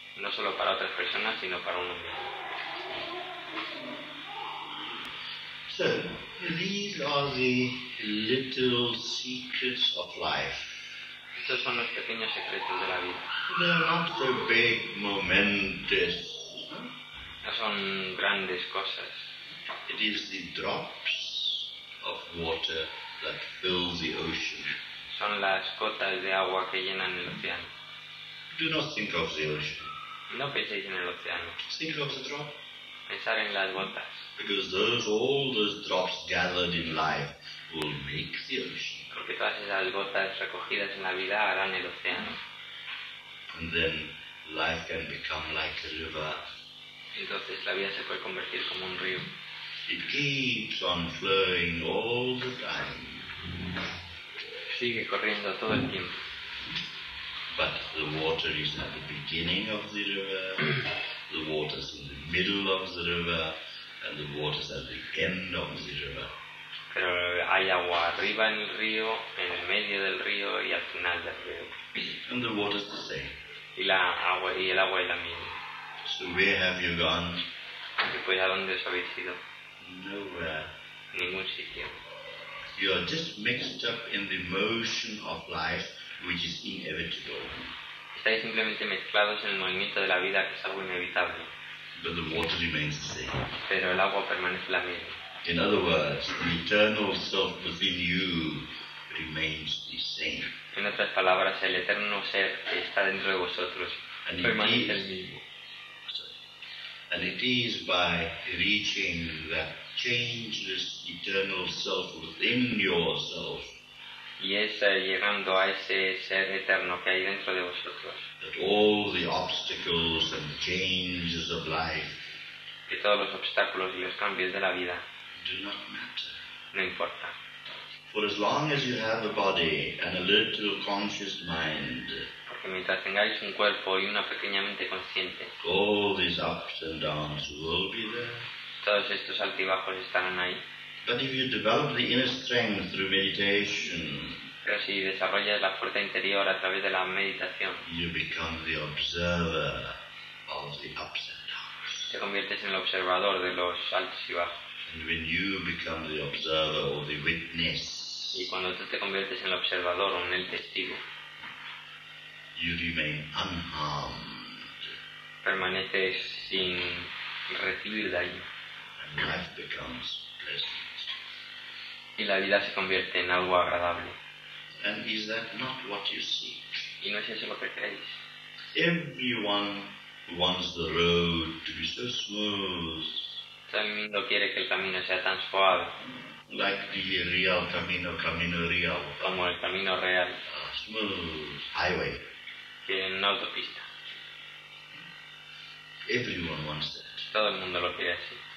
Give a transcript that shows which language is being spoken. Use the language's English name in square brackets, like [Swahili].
[Spanish] No solo para otras personas, sino para uno mismo. [English] So, these are the little secrets of life. [Spanish] Estos son los pequeños secretos de la vida. [English] They are not so big, momentous. [Spanish] No son grandes cosas. [English] It is the drops of water that fill the ocean. [Spanish] Son las gotas de agua que llenan el océano. [English] Do not think of the ocean. [Spanish] No penséis en el océano. [English] Think of the drop. [Spanish] Pensar en las gotas. [English] Because those, all those drops gathered in life will make the ocean. [Spanish] Porque todas esas gotas recogidas en la vida harán el océano. [English] And then life can become like a river. [Spanish] Entonces la vida se puede convertir como un río. [English] It keeps on flowing all the time. [Spanish] Sigue corriendo todo el tiempo. [English] But the water is at the beginning of the river. The water's in the middle of the river. And the water's at the end of the river. [Spanish] Pero hay agua arriba en el río, en el medio del río y al final del río. [English] And the water's the same. [Spanish] Y el agua es la misma. [English] So where have you gone? [Spanish] Después, ¿a dónde os habéis ido? [English] Nowhere. [Spanish] Ningún sitio. [English] You are just mixed up in the motion of life, which is inevitable. [Spanish] Estáis simplemente mezclados en el movimiento de la vida, que es algo inevitable. [English] But the water remains the same. [Spanish] Pero el agua permanece la misma. [English] In other words, the eternal self within you remains the same. [Spanish] En otras palabras, el eterno ser que está dentro de vosotros permanece el mismo. [English] And it is by reaching that changeless eternal self within yourself. [Spanish] Y es llegando a ese ser eterno que hay dentro de vosotros. [English] That all the obstacles and changes of life. [Spanish] Que todos los obstáculos y los cambios de la vida. [English] Do not matter. [Spanish] No importa. [English] For as long as you have a body and a little conscious mind. [Spanish] Que mientras tengáis un cuerpo y una pequeña mente consciente, [English] all these ups and downs will be there. [Spanish] Todos estos altibajos estarán ahí. [English] But if you develop the inner strength through meditation, [Spanish] pero si desarrollas la fuerza interior a través de la meditación, [English] you become the observer of the ups and downs. [Spanish] Te conviertes en el observador de los altos y bajos. [English] And when you become the observer or the witness, [Spanish] y cuando tú te conviertes en el observador o en el testigo, [English] you remain unharmed. [Spanish] Permaneces sin recibir daño. [English] And life becomes pleasant. [Spanish] Y la vida se convierte en algo agradable. [English] And is that not what you seek? [Spanish] Y no es eso lo que queréis. [English] Everyone wants the road to be so smooth. [Spanish] Todo el mundo quiere que el camino sea tan suave. [English] Like the real camino, camino real. [Spanish] Como el camino real. [English] A smooth highway. [Spanish] En una autopista. [English] Everyone wants that. [Spanish] Todo el mundo lo quiere así.